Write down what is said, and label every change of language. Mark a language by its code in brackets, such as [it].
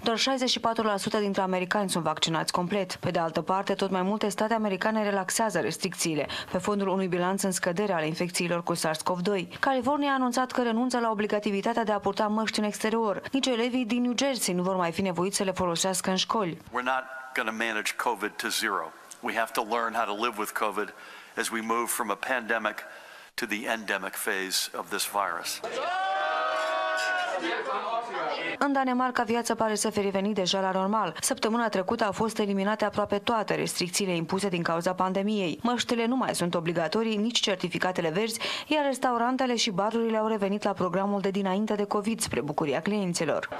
[ro] Doar 64% dintre americani sunt vaccinați complet. Pe de altă parte, tot mai multe state americane relaxează restricțiile, pe fondul unui bilanț în scădere al infecțiilor cu SARS-CoV-2. California a anunțat că renunță la obligativitatea de a purta măști în exterior. Nici elevii din New Jersey nu vor mai fi nevoiți să le folosească în școli. [en] We're not going to manage COVID to zero. We have to learn how to live with COVID as we move from a pandemic to the endemic phase of this virus. [ro] În Danemarca, viața pare să fi revenit deja la normal. Săptămâna trecută au fost eliminate aproape toate restricțiile impuse din cauza pandemiei. Măștile nu mai sunt obligatorii, nici certificatele verzi, iar restaurantele și barurile au revenit la programul de dinainte de COVID, spre bucuria clienților.